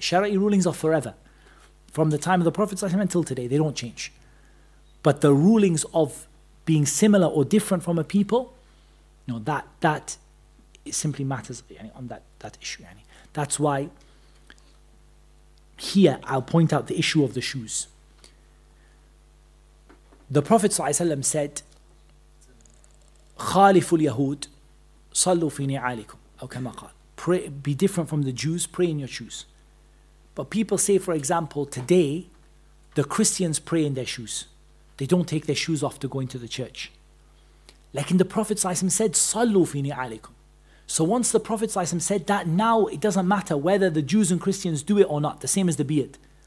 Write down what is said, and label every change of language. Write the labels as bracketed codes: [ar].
[en] Shara'i rulings are forever. From the time of the Prophet ﷺ until today, they don't change. But the rulings of being similar or different from a people, you know, that simply matters, yani, on that issue. Yani. That's why here I'll point out the issue of the shoes. The Prophet ﷺ said, [ar] خَالِفُ الْيَهُودِ صَلُّ فِي نِعَالِكُمْ أَوْ كَمَا قَالَ. [en] Pray, be different from the Jews, pray in your shoes. But people say, for example, today, the Christians pray in their shoes. They don't take their shoes off to go into the church. Like in the Prophet ﷺ said, [ar] صَلُّوا فِي نِعَالِكُمْ. [en] So once the Prophet ﷺ said that, now it doesn't matter whether the Jews and Christians do it or not, the same as the beard.